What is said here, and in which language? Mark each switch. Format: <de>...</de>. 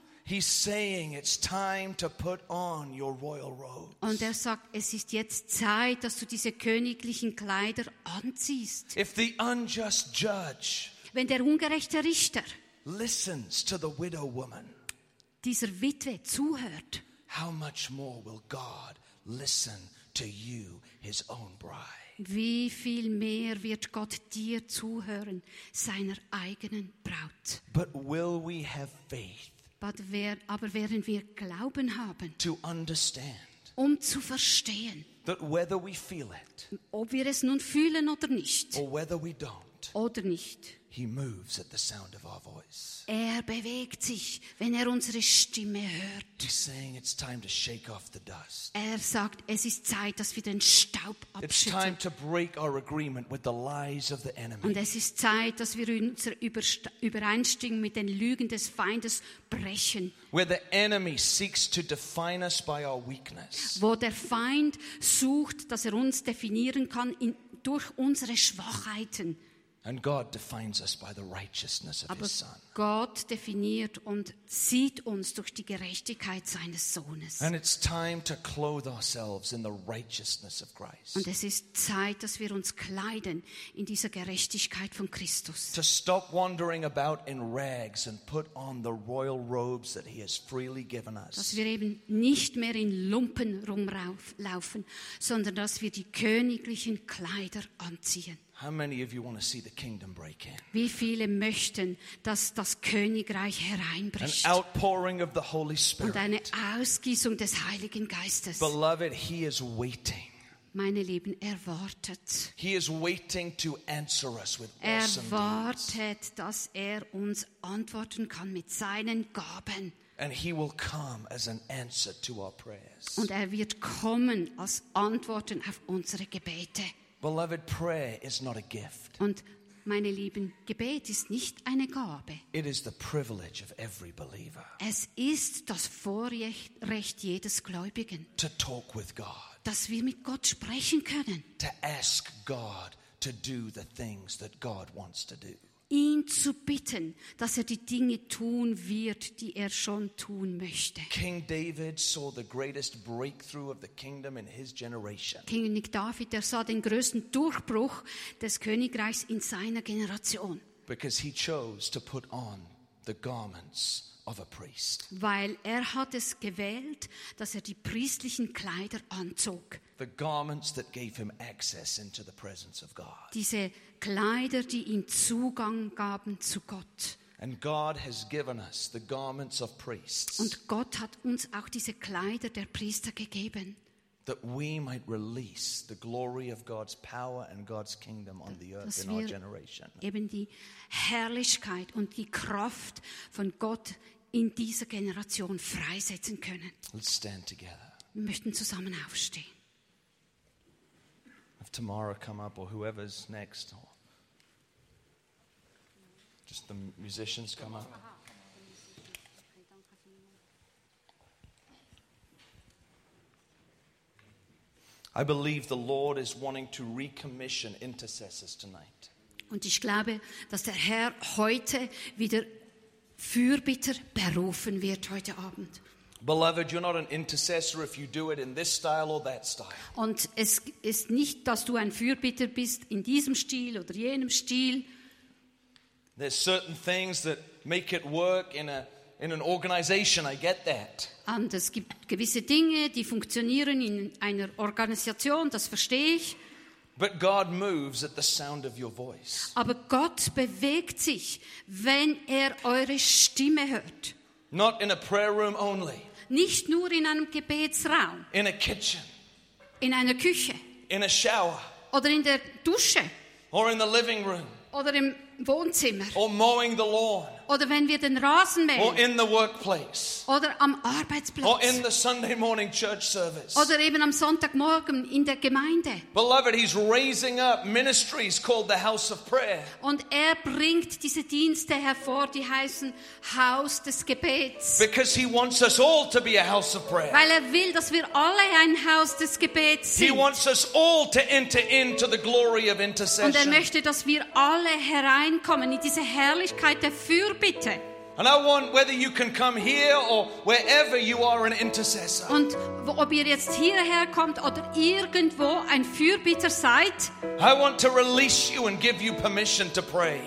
<en>He's saying it's time to put on your royal robes.</en> <de>Und er sagt, es ist jetzt Zeit, dass du diese königlichen Kleider anziehst.</de> <en>If the unjust judge,</en> <de>wenn der ungerechte Richter,</de> <en>listens to the widow woman,</en> <de>dieser Witwe zuhört,</de> <en>how much more will God listen to you, his own bride?</en> <de>Wie viel mehr wird Gott dir zuhören, seiner eigenen Braut?</de> <en>But will we have faith?</en> <de>Aber werden wir Glauben haben?</de> <en>To understand.</en> <de>Um zu verstehen.</de> <en>That whether we feel it.</en> <de>Ob wir es nun fühlen oder nicht.</de> <en>Or whether we don't.</en> <de>Oder nicht.</de> <en>He moves at the sound of our voice.</en> <de>Er bewegt sich, wenn er unsere Stimme hört.</de> <en>He's saying it's time to shake off the dust.</en> <de>Er sagt, es ist Zeit, dass wir den Staub abschütteln.</de> <en>It's time to break our agreement with the lies of the enemy.</en> <de>Und es ist Zeit, dass wir unser Übereinstimmen mit den Lügen des Feindes brechen.</de> <en>Where the enemy seeks to define us by our weakness.</en> <de>Wo der Feind sucht, dass er uns definieren kann durch unsere Schwachheiten.</de> <en>And God defines us by the righteousness of</en> <de>aber</de> <en>his son.</en> <de>Gott definiert und sieht uns durch die Gerechtigkeit seines Sohnes.</de> <en>And it's time to clothe ourselves in the righteousness of Christ.</en> <de>Und es ist Zeit, dass wir uns kleiden in dieser Gerechtigkeit von Christus.</de> <en>To stop wandering about in rags and put on the royal robes that he has freely given us.</en> <de>Dass wir eben nicht mehr in Lumpen rumlaufen, sondern dass wir die königlichen Kleider anziehen.</de> <en>How many of you want to see the kingdom break in?</en> <de>Wie viele möchten, dass das Königreich hereinbricht?</de> <en>An outpouring of the Holy Spirit.</en> <de>Und eine Ausgießung des Heiligen Geistes.</de> <en>Beloved, he is waiting.</en> <de>Meine Lieben, er wartet.</de> <en>He is waiting to answer us with awesome deeds.</en> <de>Er wartet, dass er uns antworten kann mit seinen Gaben.</de> <en>And he will come as an answer to our prayers.</en> <de>Und er wird kommen als Antworten auf unsere Gebete.</de> <en>Beloved, prayer is not a gift.</en> <de>Und meine Lieben, Gebet ist nicht eine Gabe.</de> <en>It is the privilege of every believer.</en> <de>Es ist das Vorrecht jedes Gläubigen.</de> <en>To talk with God.</en> <de>Dass wir mit Gott sprechen können.</de> <en>To ask God to do the things that God wants to do.</en> <de>Ihn zu bitten, dass er die Dinge tun wird, die er schon tun möchte.</de> <en>King David saw the greatest breakthrough of the kingdom in his generation.</en> <de>König David, er sah den größten Durchbruch des Königreichs in seiner Generation.</de> <en>Because he chose to put on the garments of a priest.</en> <de>Weil er hat es gewählt, dass er die priestlichen Kleider anzog.</de> <en>The garments that gave him access into the presence of God.</en> <de>Diese Kleider, die ihm Zugang gaben zu Gott.</de> <en>And God has given us the garments of priests.</en> <de>Und Gott hat uns auch diese Kleider der Priester gegeben.</de> <en>That we might release the glory of God's power and God's kingdom on the earth in our generation.</en> <de>Eben die Herrlichkeit und die Kraft von Gott in dieser Generation freisetzen können.</de> <en>Let's stand together.</en> <de>Wir möchten zusammen aufstehen.</de> <en>Tomorrow come up, or whoever's next, or just the musicians come up. I believe the Lord is wanting to recommission intercessors tonight.</en> <de>Und ich glaube, dass der Herr heute wieder Fürbitter berufen wird heute Abend.</de> <en>Beloved, you're not an intercessor if you do it in this style or that style.</en> <de>Und es ist nicht, dass du ein Fürbitter bist in diesem Stil oder jenem Stil.</de> <en>There's certain things that make it work in an organization, I get that.</en> <de>Und es gibt gewisse Dinge, die funktionieren in einer Organisation, das verstehe ich.</de> <en>But God moves at the sound of your voice.</en> <de>Aber Gott bewegt sich, wenn er eure Stimme hört.</de> <en>Not in a prayer room only.</en> <de>Nicht nur in einem Gebetsraum.</de> <en>In a kitchen.</en> <de>In einer Küche.</de> <en>In a shower.</en> <de>Oder in der Dusche.</de> <en>Or in the living room.</en> <de>Oder im Wohnzimmer.</de> <en>Or mowing the lawn.</en> <de>Oder wenn wir den Rasen mähen.</de> <en>Or in the workplace.</en> <de>Oder am Arbeitsplatz.</de> <en>Or in the Sunday morning church service.</en> <de>Oder eben am Sonntagmorgen in der Gemeinde.</de> <en>Beloved, he's raising up ministries called the house of prayer.</en> <de>Und er bringt diese Dienste hervor, die heißen Haus des Gebets.</de> <en>Because he wants us all to be a house of prayer.</en> <de>Weil er will, dass wir alle ein Haus des Gebets sind.</de> <en>He wants us all to enter into the glory of intercession.</en> <de>Und er möchte, dass wir alle hereinkommen in diese Herrlichkeit der Fürbitte.</de> <en>And I want whether you can come here or wherever you are an intercessor.</en> <de>Und ob ihr jetzt hierher kommt oder irgendwo ein Fürbitter seid.</de> <en>I want to release you and give you permission to pray.</en>